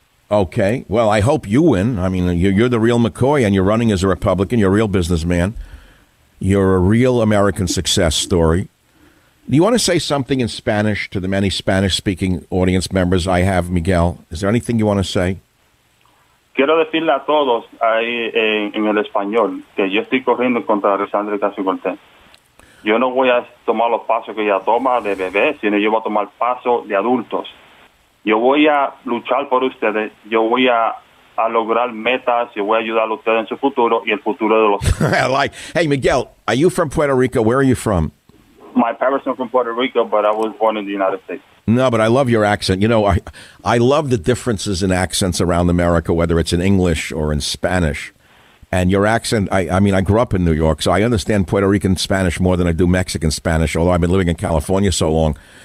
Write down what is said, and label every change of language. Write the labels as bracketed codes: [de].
[en] Okay, well, I hope you win. I mean, you're the real McCoy, and you're running as a Republican. You're a real businessman. You're a real American success story. Do you want to say something in Spanish to the many Spanish-speaking audience members I have, Miguel? Is there anything you want to say? [es] Quiero decirle a todos ahí en el español que yo estoy corriendo contra Alexandre Ocasio-Cortez. Yo no voy a tomar los pasos que ella toma de bebé, sino yo voy a tomar pasos de adultos. Yo voy a luchar por ustedes. Yo voy a lograr metas. Yo voy a ayudar a ustedes en su futuro y el futuro de los... [en] Like, hey, Miguel, are you from Puerto Rico? Where are you from? My parents are from Puerto Rico, but I was born in the United States. No, but I love your accent. You know, I love the differences in accents around America, whether it's in English or in Spanish. And your accent, I mean, I grew up in New York, so I understand Puerto Rican Spanish more than I do Mexican Spanish, although I've been living in California so long.